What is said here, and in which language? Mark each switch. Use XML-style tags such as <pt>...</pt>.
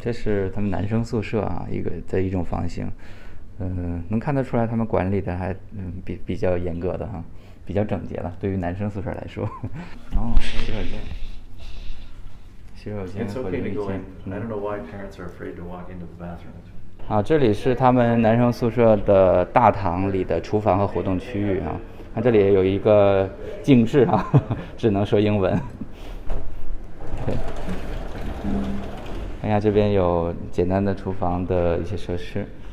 <zh>这是他们男生宿舍啊，一个的一种房型。能看得出来他们管理的还比较严格的哈，比较整洁的，对于男生宿舍来说。哦，洗手间。</zh> <en>It's okay to go in. I don't know why parents are afraid to walk into the bathroom.</en> <zh>啊，这里是他们男生宿舍的大堂里的厨房和活动区域啊，它这里有一个镜室啊，只能说英文。对。哎呀，这边有简单的厨房的一些设施。</zh>